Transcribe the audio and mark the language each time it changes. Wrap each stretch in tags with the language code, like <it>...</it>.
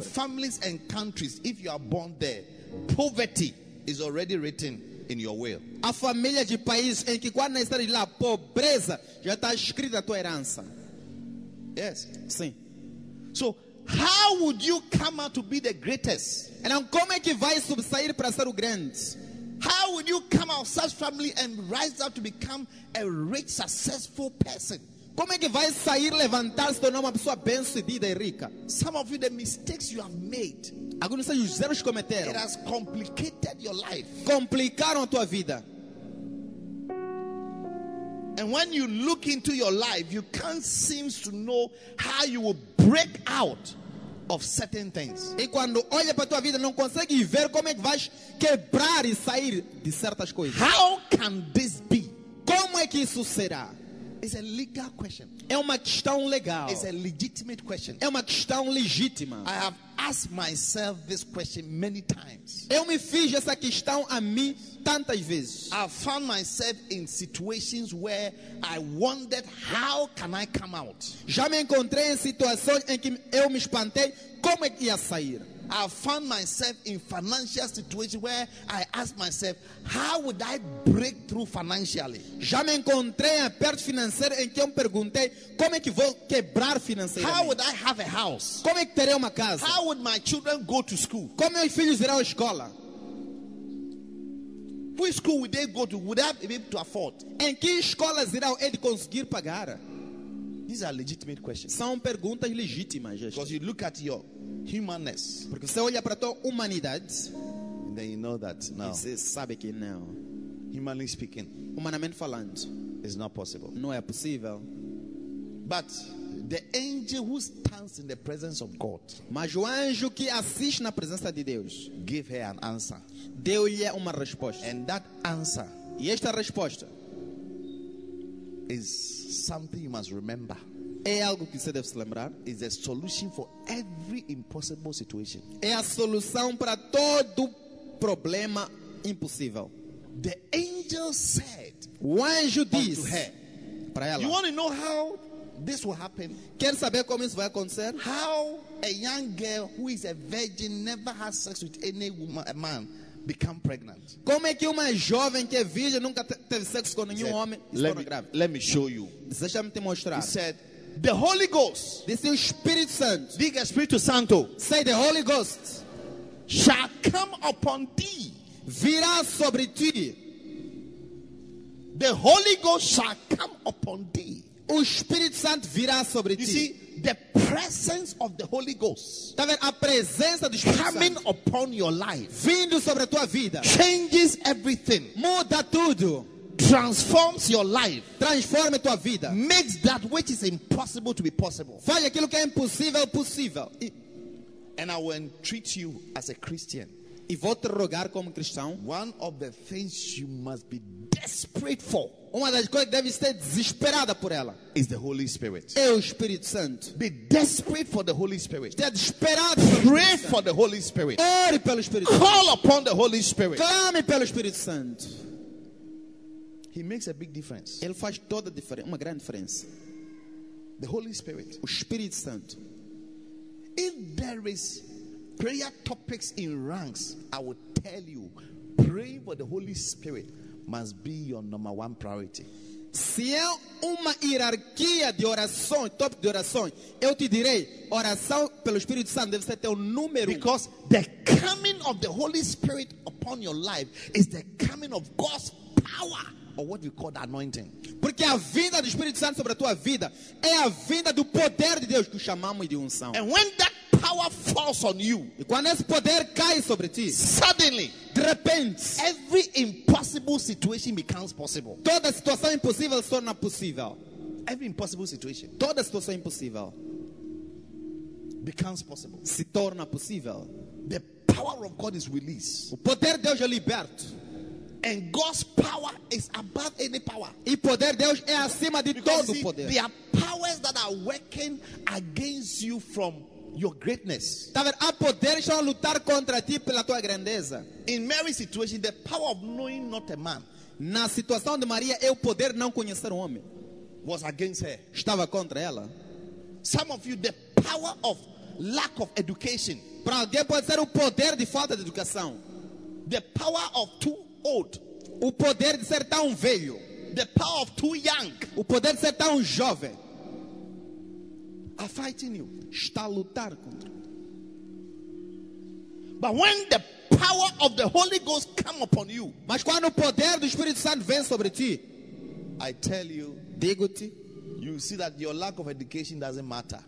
<en>poor families and countries, if you are born there, poverty is already written in your will.</en> <pt>A família de país em que quando está lá, pobreza já está escrita a tua herança.</pt> <en>Yes.</en> <pt>Sim.</pt> <en>So, how would you come out to be the greatest? And then,</en> <pt>como é que vai subsair para ser o grande?</pt> <en>How would you come out of such family and rise up to become a rich, successful person?</en> <pt>Como é que vai sair, levantar-se, tornar uma pessoa bem-sucedida e rica?</pt> <en>Some of you, the mistakes you have made,</en> <pt>alguns de vocês, erros cometeram,</pt> <en>it has complicated your life.</en> <pt>Complicaram a tua vida.</pt> <en>And when you look into your life, you can't seem to know how you will break out of certain things.</en> <pt>E quando olha para tua vida, não consegue ver como é que vais quebrar e sair de certas coisas.</pt> <en>How can this be?</en> <pt>Como é que isso será?</pt> <en>It's a legal question.</en> <pt>É uma questão legal.</pt> <en>It's a legitimate question.</en> <pt>É uma questão legítima.</pt> <en>I have asked myself this question many times.</en> <pt>Eu me fiz essa questão a mim tantas vezes.</pt> <en>I found myself in situations where I wondered, how can I come out?</en> <pt>Já me encontrei em situações em que eu me espantei, como é que ia sair?</pt> <en>I found myself in financial situations where I asked myself, how would I break through financially?</en> <pt>Já me encontrei em aperto financeiro em que eu me perguntei, como é que vou quebrar financeiramente?</pt> <en>How would I have a house?</en> <pt>Como é que terei uma casa?</pt> <en>How would my children go to school?</en> <pt>Como meus filhos irão à escola?</pt> <en>Which school would they go to? Would I be able to afford?</en> <pt>Em que escolas irão eles conseguir pagar?</pt> <en>These are legitimate questions.</en> <pt>São perguntas legítimas.</pt> <en>Because you look at your humanness.</en> <pt>Porque você olha para a tua humanidade.</pt> <en>And then you know that now.</en> <pt>Você sabe que não.</pt> <en>Humanly speaking.</en> <pt>Humanamente falando.</pt> <en>It's not possible.</en> <pt>Não é possível.</pt> <en>But the angel who stands in the presence of God.</en> <pt>Mas o anjo que assiste na presença de Deus.</pt> <en>Give her an answer.</en> <pt>Deu-lhe uma resposta.</pt> <en>And that answer.</en> <pt>E esta resposta.</pt> <en>Is something you must remember.</en> <pt>É algo que você deve se lembrar.</pt> <en>Is a solution for every impossible situation.</en> <pt>É a solução para todo problema impossível.</pt> <en>The angel said.</en> <pt>O anjo diz.</pt> <en>Unto her,</en> <pt>para ela.</pt> <en>You want to know how this will happen?</en> <pt>Quer saber como isso vai acontecer?</pt> <en>How a young girl who is a virgin never has sex with any woman, a man, become pregnant.</en> <pt>Como é que uma jovem que é virgem nunca teve sexo com nenhum homem está grávida?</pt> <en>Let me show you.</en> <pt>Deixa-me te mostrar.</pt> <en>He said, the Holy Ghost.</en> <pt>Disse o Espírito Santo. Diga Espírito Santo.</pt> <en>Say the Holy Ghost shall come upon thee.</en> <pt>Virá sobre ti.</pt> <en>The Holy Ghost shall come upon thee.</en> <pt>O Espírito Santo virá sobre</pt> <en>you See, the presence of the Holy Ghost.</en> <pt>Tá vendo? A presença do Espírito</pt> <en>Santo. Coming upon your life.</en> <pt>Vindo sobre a tua vida.</pt> <en>Changes everything.</en> <pt>Muda tudo.</pt> <en>Transforms your life.</en> <pt>Transforma a tua vida.</pt> <en>Makes that which is impossible to be possible.</en> <pt>Faz aquilo que é impossível possível.</pt> <en>And I will entreat you as a Christian.</en> <pt>E vou te rogar como cristão.</pt> <en>One of the things you must be desperate for.</en> <pt>Uma das coisas que deve ser desesperada por ela.</pt> <en>Is the Holy Spirit.</en> <pt>É o Espírito Santo.</pt> <en>Be desperate for the Holy Spirit.</en> <pt>Esteja desesperado.</pt> <en>Pray for the Holy Spirit.</en> <pt>Ore pelo Espírito</pt> <en>Santo. Call upon the Holy Spirit.</en> <pt>Clame pelo Espírito Santo.</pt> <en>He makes a big difference.</en> <pt>Ele faz toda a diferença. Uma grande diferença.</pt> <en>The Holy Spirit.</en> <pt>O Espírito Santo.</pt> <en>If there is prayer topics in ranks, I will tell you, pray for the Holy Spirit must be your number one priority.</en> <pt>Se é uma hierarquia de orações, top de orações, eu te direi, oração pelo Espírito Santo deve ser teu número.</pt> <en>Because the coming of the Holy Spirit upon your life is the coming of God's power, or what we call the anointing.</en> <pt>Porque a vinda do Espírito Santo sobre a tua vida é a vinda do poder de Deus, que chamamos de unção.</pt> <en>And when that power falls on you,</en> <pt>e quando esse poder cai sobre ti,</pt> <en>suddenly,</en> <pt>de repente,</pt> <en>every impossible situation becomes possible.</en> <pt>Toda situação impossível se torna possível.</pt> <en>Every impossible situation,</en> <pt>toda situação impossível</pt> <en>becomes possible.</en> <pt>Se torna possível.</pt> <en>The power of God is released.</en> <pt>O poder de Deus é liberto.</pt> <en>And God's power is above any power.</en> <pt>E poder Deus é acima de</pt> <en>because</en> <pt>todo poder.</pt> <en>There are powers that are working against you from your greatness.</en> <pt>Tá vendo? Há poder que está a lutar contra ti pela tua grandeza.</pt> <en>In Mary's situation, the power of knowing not a man.</en> <pt>Na situação de Maria, é o poder não conhecer o homem.</pt> <en>Was against her.</en> <pt>Estava contra ela.</pt> <en>Some of you, the power of lack of education.</en> <pt>Para alguém pode ser o poder de falta de educação.</pt> <en>The power of too old.</en> <pt>O poder de ser tão velho.</pt> <en>The power of too young.</en> <pt>O poder de ser tão jovem.</pt> <en>Are fighting you.</en> <pt>Está a lutar contra.</pt> <en>But when the power of the Holy Ghost come upon you,</en> <pt>mas quando o poder do Espírito Santo vem sobre ti,</pt> <en>I tell you,</en> <pt>digo-te,</pt> <en>you see that your lack of education doesn't matter.</en>